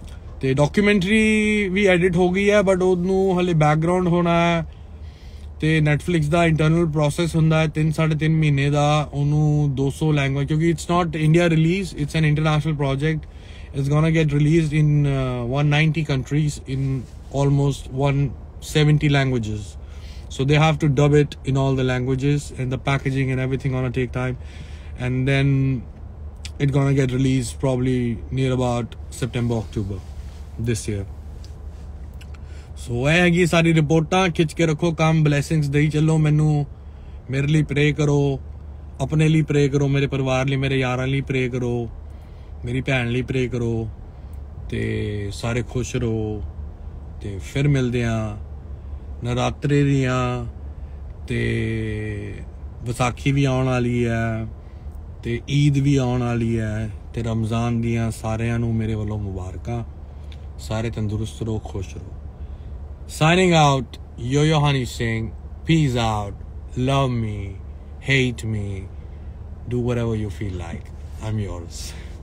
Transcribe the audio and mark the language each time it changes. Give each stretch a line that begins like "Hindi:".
Punjabi: ਅਤੇ ਡਾਕੂਮੈਂਟਰੀ ਵੀ ਐਡਿਟ ਹੋ ਗਈ ਹੈ ਬਟ ਉਹਨੂੰ ਹਾਲੇ ਬੈਕਗਰਾਊਂਡ ਹੋਣਾ ਹੈ, ਅਤੇ ਨੈੱਟਫਲਿਕਸ ਦਾ ਇੰਟਰਨਲ ਪ੍ਰੋਸੈਸ ਹੁੰਦਾ ਹੈ 3-3.5 ਮਹੀਨੇ ਦਾ, ਉਹਨੂੰ 200 ਲੈਂਗੁਏਜ, ਕਿਉਂਕਿ
English: It's not India release, it's an international project, it's gonna get release in 190 countries in almost 170 languages. So they have to dub it in all the languages and the packaging and everything gonna take time. And then it gonna get released probably near about September, October this year.
Punjabi: So ਇਹ ਹੈਗੀ ਸਾਰੀ ਰਿਪੋਰਟਾਂ, ਖਿੱਚ ਕੇ ਰੱਖੋ ਕੰਮ, blessings ਦੇਈ ਚੱਲੋ ਮੈਨੂੰ, ਮੇਰੇ ਲਈ ਪ੍ਰੇ ਕਰੋ, ਆਪਣੇ ਲਈ ਪ੍ਰੇ ਕਰੋ, ਮੇਰੇ ਪਰਿਵਾਰ ਲਈ, ਮੇਰੇ ਯਾਰਾਂ ਲਈ ਪ੍ਰੇ ਕਰੋ, ਮੇਰੀ ਭੈਣ ਲਈ ਪ੍ਰੇ ਕਰੋ, ਅਤੇ ਸਾਰੇ ਖੁਸ਼ ਰਹੋ, ਅਤੇ ਫਿਰ ਮਿਲਦੇ ਹਾਂ ਨਰਾਤਰੇ ਦੀਆਂ, ਅਤੇ ਵਿਸਾਖੀ ਵੀ ਆਉਣ ਵਾਲੀ ਹੈ, ਅਤੇ ਈਦ ਵੀ ਆਉਣ ਵਾਲੀ ਹੈ, ਅਤੇ ਰਮਜ਼ਾਨ ਦੀਆਂ ਸਾਰਿਆਂ ਨੂੰ ਮੇਰੇ ਵੱਲੋਂ ਮੁਬਾਰਕਾਂ, ਸਾਰੇ ਤੰਦਰੁਸਤ ਰਹੋ, ਖੁਸ਼ ਰਹੋ.
English: Signing out, Yo-Yo Honey Singh. Peace out. Love me. Hate me. Do whatever you feel like. I'm yours.